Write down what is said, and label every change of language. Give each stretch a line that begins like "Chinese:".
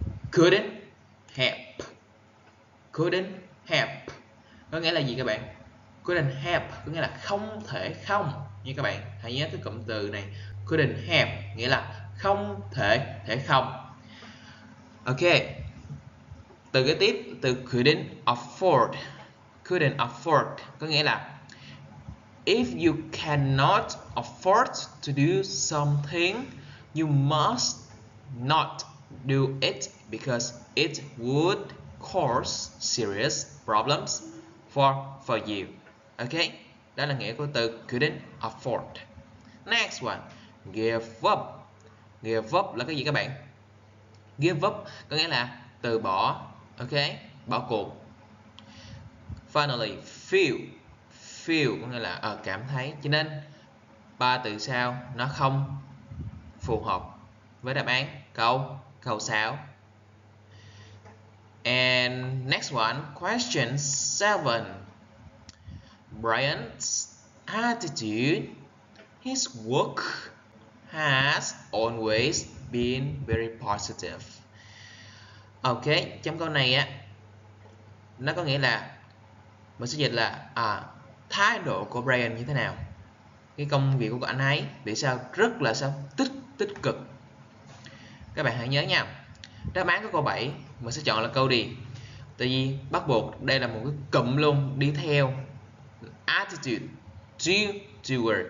Vietnamese: Couldn't help. Couldn't help. Có nghĩa là gì các bạn? Couldn't help có nghĩa là không thể không. Như các bạn hãy nhớ cái cụm từ này, couldn't help nghĩa là không thể thể không. Ok. Từ kế tiếp, từ couldn't afford.
English: Couldn't afford
Vietnamese: có nghĩa là
English: if you cannot afford to do something, you must not do it because it would cause serious problems for you. Okay?
Vietnamese: Đó là nghĩa của từ couldn't afford.
English: Next one, give up.
Vietnamese: Give up là cái gì các bạn? Give up có nghĩa là từ bỏ. Okay? Bỏ cuộc.
English: Finally, feel.
Vietnamese: Feel có nghĩa là cảm thấy. Cho nên ba từ sau nó không phù hợp với đáp án câu 6.
English: And next one, question 7. Brian's attitude, his work has always been very positive.
Vietnamese: Ok, trong câu này á, nó có nghĩa là mình sẽ dịch là thái độ của Brian như thế nào, cái công việc của anh ấy vì sao rất là sao tích cực. Các bạn hãy nhớ nha, đáp án của câu 7 mình sẽ chọn là câu đi, tại vì bắt buộc đây là một cái cụm luôn đi theo attitude to work.